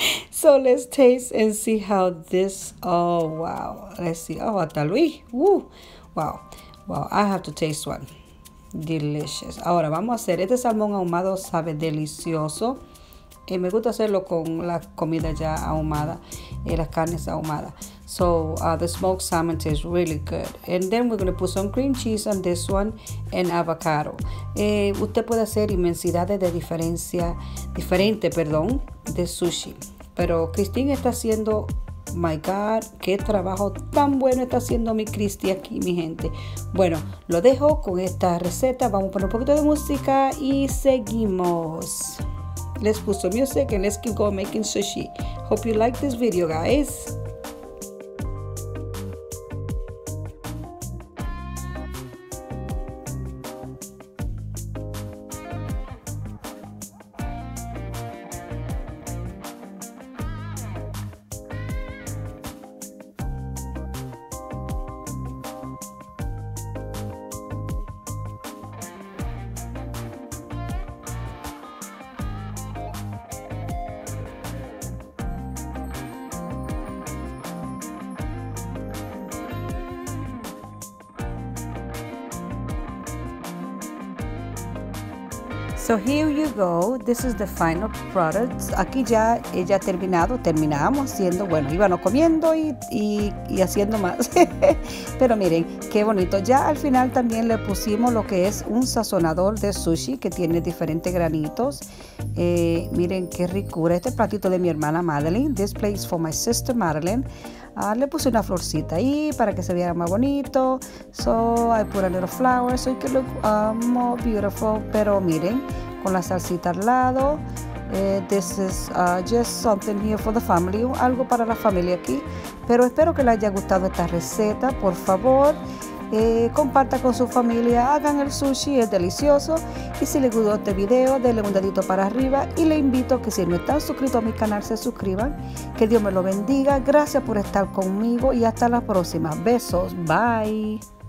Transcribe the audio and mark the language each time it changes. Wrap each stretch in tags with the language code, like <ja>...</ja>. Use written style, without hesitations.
<en>So let's taste and see how this. Oh, wow. Let's see. Oh, hasta Luis. Woo. Wow. Wow. I have to taste one. Delicious.</en> <es>Ahora vamos a hacer este salmón ahumado. Sabe delicioso. Y me gusta hacerlo con la comida ya ahumada, las carnes ahumadas.</es> <en>So, the smoked salmon tastes really good. And then we're going to put some cream cheese on this one and avocado.</en> <es>Usted puede hacer inmensidades de diferente, de sushi. Pero Christine está haciendo,</es> <en>my God,</en> <es>qué trabajo tan bueno está haciendo mi Christie aquí, mi gente. Bueno, lo dejo con esta receta. Vamos a poner un poquito de música y seguimos.</es> <en>Let's put some music and let's keep going making sushi. Hope you like this video, guys. So here you go, this is the final product.</en> <es>Aquí ya ella ha terminado, terminamos haciendo, bueno, íbamos comiendo y haciendo más. Pero miren, qué bonito. Ya al final también le pusimos lo que es un sazonador de sushi que tiene diferentes granitos. Miren qué ricura, este platito de mi hermana Madeline.</es> <en>This plate is for my sister Madeline.</en> <es>Le puse una florcita ahí para que se viera más bonito.</es> <en>So I put a little flower so it could look more beautiful.</en> <es>Pero miren, con la salsita al lado.</es> <en>This is just something here for the family.</en> <es>Algo para la familia aquí. Pero espero que les haya gustado esta receta. Por favor, comparta con su familia. Hagan el sushi, es delicioso. Y si les gustó este video, denle un dedito para arriba. Y le invito a que si no están suscritos a mi canal, se suscriban. Que Dios me lo bendiga. Gracias por estar conmigo y hasta la próxima. Besos. Bye.</es>